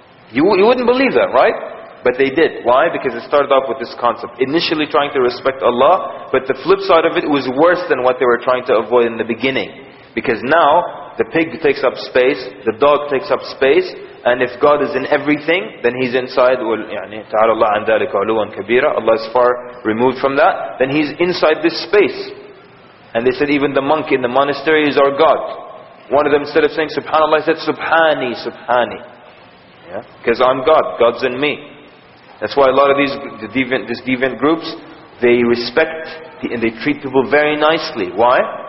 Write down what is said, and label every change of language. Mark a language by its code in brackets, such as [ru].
[en] You wouldn't believe that, right? But they did. Why? Because it started off with this concept. Initially trying to respect Allah, but the flip side of it was worse than what they were trying to avoid in the beginning. Because now, the pig takes up space, the dog takes up space, and if God is in everything, then he's inside. [ar] تَعَالَى اللَّهُ عَنْ ذَلِكَ عُلُوًا كَبِيرًا. [en] Allah is far removed from that. Then he's inside this space. And they said, even the monk in the monastery is our God. One of them, instead of saying, "Subhanallah," said, "Subhani, Subhani." Yeah? Because I'm God. God's in me. That's why a lot of these deviant groups, they respect and they treat people very nicely. Why?